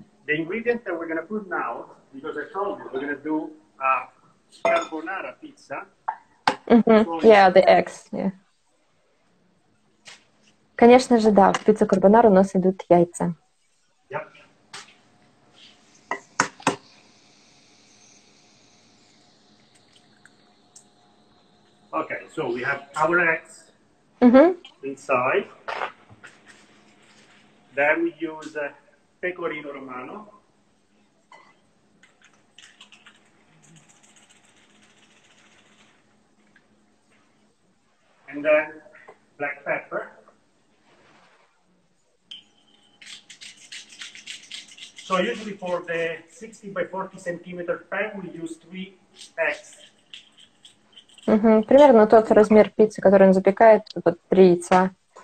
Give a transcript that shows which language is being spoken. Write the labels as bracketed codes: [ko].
[en] The ingredient that we're going to put now, because I told you, we're going to do a carbonara pizza. Mm-hmm. So yeah, the eggs. Yeah. [ru] Конечно же, да, в пицце карбонара у нас идут яйца. [en] Yep. Okay, so we have our eggs inside. Then we use pecorino romano. And then black pepper. So usually for the 60 by 40 centimeter pan, we use 3 eggs. Mm-hmm. [ru] Примерно тот размер пиццы, который он запекает, вот 3 яйца.